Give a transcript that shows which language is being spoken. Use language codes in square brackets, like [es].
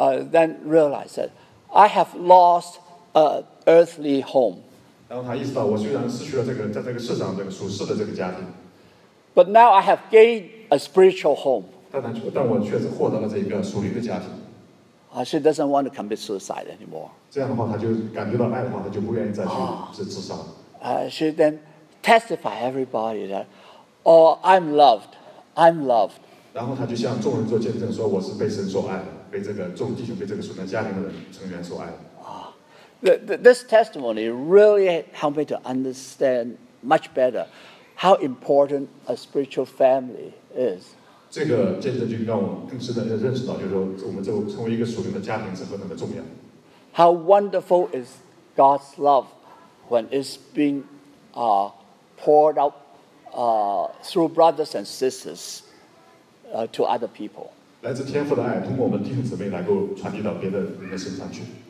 [en] Then realize that I have lost an earthly home. [zh] 然后他意识到我虽然失去了这个在这个世上这个属世的这个家庭。 [en] But now I have gained a spiritual home. [zh] 但我确实获得了这一个属灵的家庭。 [en] She doesn't want to commit suicide anymore. [zh] 这样的话他就感觉到爱的话他就不愿意再去自杀了。 [en] She then testify everybody that, oh, I'm loved, I'm loved. [zh] 然后他就向众人做见证说我是被神所爱的，被这个众弟兄，被这个属灵家庭的成员所爱的。 [en] This testimony really helped me to understand much better how important a spiritual family is. [zh] 这个见证就让我更深的认识到，就是说我们就成为一个属灵的家庭是何等的重要。 [en] How wonderful is God's love when it's being poured out through brothers and sisters to other people. [zh] 来自天父的爱通过我们弟兄姊妹能够传递到别的人的身上去。